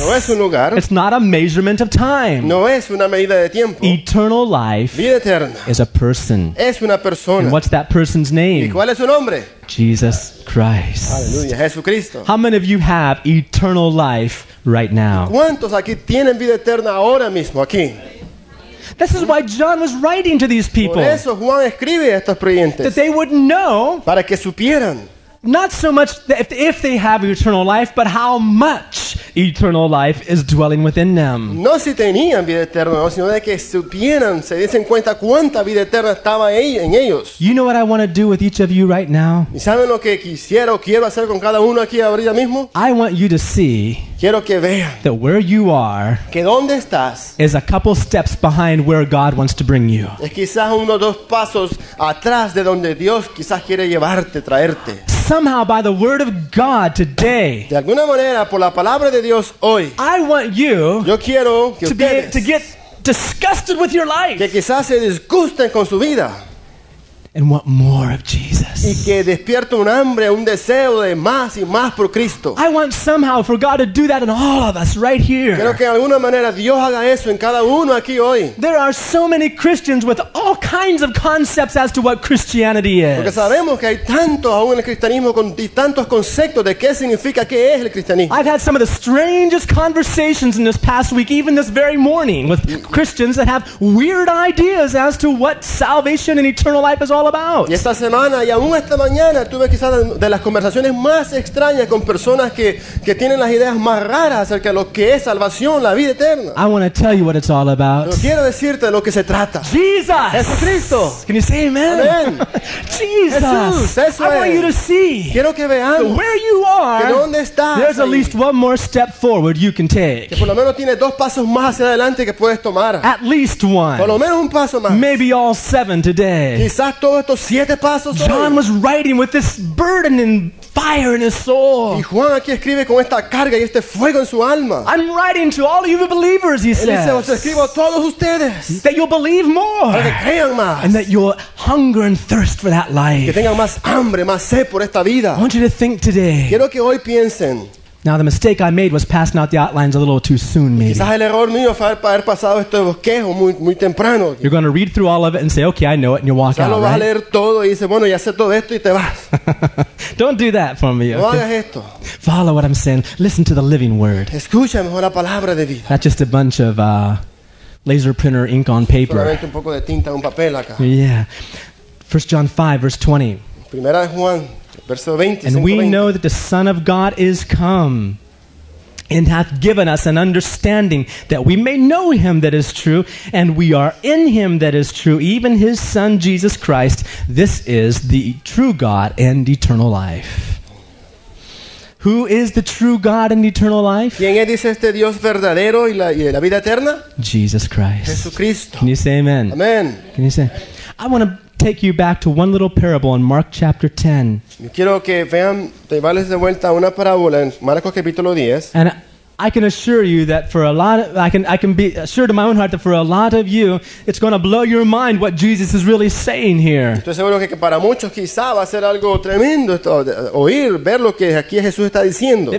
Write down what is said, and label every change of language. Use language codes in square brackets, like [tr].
[es] No es un lugar. [en] It's not a measurement of time. [es] No es una medida de tiempo. [en] Eternal life, [es] vida eterna, [en] is a person. [es] Es una persona. [en] And what's that person's name? [es] ¿Y cuál es su nombre? [en] Jesus Christ. [es] Aleluya, Jesucristo. [en] How many of you have eternal life right now? [es] ¿Cuántos aquí tienen vida eterna ahora mismo aquí? [en] This is why John was writing to these people. [es] Por eso Juan escribe a estos creyentes. [en] That they would know. [es] Para que supieran. [en] Not so much if they have eternal life, but how much eternal life is dwelling within them. [es] No si tenían vida eterna, sino de que supieran, se diesen cuenta cuánta vida eterna estaba en ellos. [en] You know what I want to do with each of you right now? [es] ¿Y saben lo que quisiera o quiero hacer con cada uno aquí ahora mismo? [en] I want you to see. [es] Quiero que vean [en] that where you are, [es] que dónde estás, [en] is a couple steps behind where God wants to bring you. [es] Es quizás uno o dos pasos atrás de donde Dios quizás quiere llevarte, traerte. [en] Somehow by the word of God today, [es] de alguna manera por la palabra de Dios hoy, [en] I want you, [es] yo quiero que [en] to, [es] ustedes, [en] be, to get disgusted with your life, [es] que quizás se disgusten con su vida, [en] and want more of Jesus. [es] Y que despierta un hambre, un deseo de más y más por Cristo. [en] I want somehow for God to do that in all of us right here. [es] Quiero que de alguna manera Dios haga eso en cada uno aquí hoy. [en] There are so many Christians with all kinds of concepts as to what Christianity is. [es] Porque sabemos que hay tantos aún en el cristianismo con tantos conceptos de qué significa, qué es el cristianismo. [en] I've had some of the strangest conversations in this past week, even this very morning, with Christians that have weird ideas as to what salvation and eternal life is all about. [es] Y esta semana y aún esta mañana tuve quizás de las conversaciones más extrañas con personas que tienen las ideas más raras acerca de lo que es salvación, la vida eterna. [en] I want to tell you what it's all about. [es] Pero quiero decirte de lo que se trata. [en] Jesus. [es] Jesucristo. [en] Can you say amen? Amen. Jesus. [es] Jesús, [en] I want you to see. [es] Quiero que vean. [en] So where you are. [es] Que dónde estás. [en] There's at least one more step forward you can take. [es] Que por lo menos tiene dos pasos más hacia adelante que puedes tomar. [en] At least one. [es] Por lo menos un paso más. [en] Maybe all seven today. [es] Quizás todos estos siete pasos. [en] John was writing with this burden and fire in his soul. [es] Y Juan aquí escribe con esta carga y este fuego en su alma. [en] I'm writing to all of you believers, he says. [es] Él dice, os escribo a todos ustedes. [en] That you'll believe more. [es] Para que crean más. [en] And that you'll hunger and thirst for that life. [es] Que tengan más hambre, más sed por esta vida. [en] I want you to think today. [es] Quiero que hoy piensen. [en] Now the mistake I made was passing out the outlines a little too soon, maybe. [es] Quizás el error mío fue haber pasado este bosquejo muy temprano. [en] You're going to read through all of it and say, okay, I know it, and you walk out, right? [es] Lo vas a leer todo y dices, bueno, ya sé todo esto y te vas. [en] Don't do that for me. [es] No hagas esto. [en] Follow what I'm saying. Listen to the living word. [es] Escucha mejor la palabra de vida. [en] Not just a bunch of laser printer ink on paper. [es] Solamente un poco de tinta en un papel acá. [en] Yeah. 1 John 5, verse 20. [es] Primera de Juan. Verso 20, [en] and we know that the Son of God is come and hath given us an understanding that we may know him that is true, and we are in him that is true, even his Son Jesus Christ. This is the true God and eternal life. Who is the true God and eternal life? [es] ¿Quién es este Dios verdadero y la vida eterna? [en] Jesus Christ. [es] Jesucristo. [en] Can you say amen? Amen. Can you say? I want to take you back to one little parable in Mark chapter 10. [es] Yo quiero que vean, te vales de vuelta una parábola en Marcos capítulo 10. [en] And I can assure you that for a lot of, I can be assured in my own heart that for a lot of you, it's going to blow your mind what Jesus is really saying here. [es] Estoy seguro que para muchos quizá va a ser algo tremendo esto, oír, ver lo que aquí Jesús está diciendo.